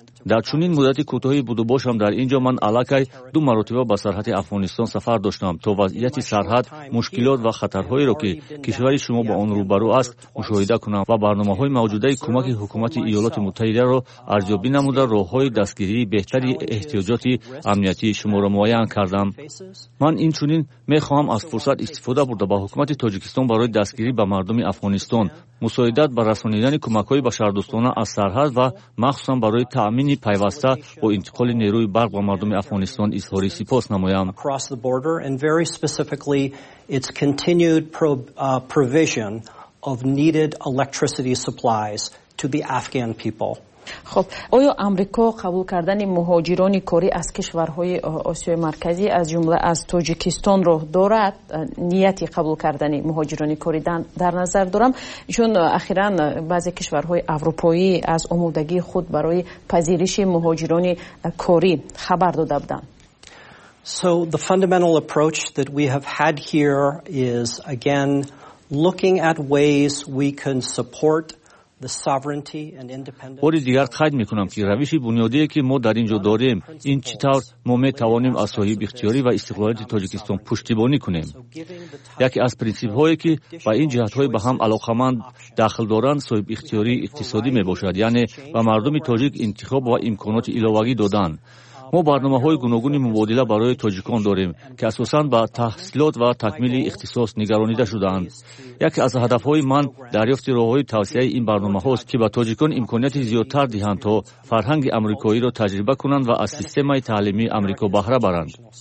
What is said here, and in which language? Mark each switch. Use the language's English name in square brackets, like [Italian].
[Tajik] дар чунин муддати кӯтоҳи будубошам дар инҷо ман аллакай ду маротиба ба сарҳади Афғонистон сафар доштам то вазъияти сарҳад, мушкилот ва хатарҳоеро ки кишвари шумо ба он рӯбарӯ аст мушоҳида кунам ва барномаҳои мавҷудаи кӯмаки ҳукумати Иёлоти Муттаҳидаро арзёбӣ намуда роҳҳои дастгирии беҳтари эҳтиёҷоти амниятии шуморо муайян кардам. ман инчунин мехоҳам аз фурсат истифода бурда ба ҳукумати Тоҷикистон барои дастгирӣ ба мардуми Афғонистон мусоидат ба расонидани кӯмакҳои башардӯстона аз сарҳад ва махсусан барои таъмини пайваста бо интиқоли нерӯи барқ ба мардуми Афғонистон изҳори сипос намоям. [English] across the border and very specifically its continued provision of needed electricity supplies to the Afghan people. [Persian] خب آیا امریکا قبول کردن مهاجران کاری از کشورهای آسیای مرکزی از جمله از تاجیکستان رو دارد نیت قبول کردن مهاجران کاری در نظر دارم چون اخیرا بعضی کشورهای اروپایی از آمادگی خود برای پذیرش مهاجران کاری خبر داده بودند [English] So the fundamental approach that we have had here is again looking at ways we can support the sovereignty and independence [Tajik] Бори дигар қайд мекунам ки равиши бунёдие ки мо дар инҷо дорем ин чӣ тавр мо метавонем аз соҳиб ихтиёрӣ ва истиқлолияти Тоҷикистон пуштибонӣ кунем яке аз принсипҳое ки ба ин ҷиҳатҳои ба ҳам алоқаманд дахл доранд соҳиб ихтиёрии иқтисодӣ мебошад яъне ба мардуми тоҷик интихоб ва имконоти иловагӣ доданд мо барномаҳои гуногуни мубодила барои тоҷикон дорем ки асосан ба таҳсилот ва такмили ихтисос нигаронида шудаанд яке аз ҳадафҳои ман дарёфти роҳҳои тавсеаи ин барномаҳост ки ба тоҷикон имконияти зиёдтар диҳанд то фарҳанги амрикоиро таҷриба кунанд ва аз системаи таълимии амрико баҳра баранд